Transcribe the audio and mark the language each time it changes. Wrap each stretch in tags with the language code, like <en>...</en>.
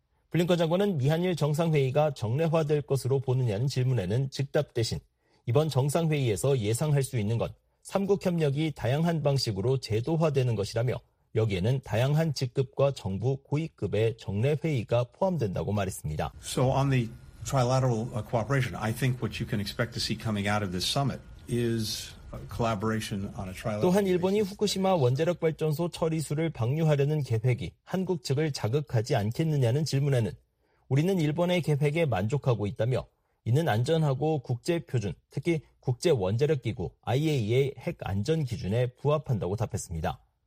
<ko>블링컨 장관은 미한일 정상회의가 정례화될 것으로 보느냐는 질문에는 즉답 대신 이번 정상회의에서 예상할 수 있는 건 3국 협력이 다양한 방식으로 제도화되는 것이라며 여기에는 다양한 직급과 정부 고위급의 정례회의가 포함된다고 말했습니다.</ko> <en>So on the trilateral cooperation, I think what you can expect to see coming out of this summit is collaboration on a trilateral.</en> <ko>또한 일본이 후쿠시마 원자력 발전소 처리수를 방류하려는 계획이 한국 측을 자극하지 않겠느냐는 질문에는 우리는 일본의 계획에 만족하고 있다며 이는 안전하고 국제 표준, 특히 국제 원자력 기구 IAEA 핵 안전 기준에 부합한다고 답했습니다.</ko>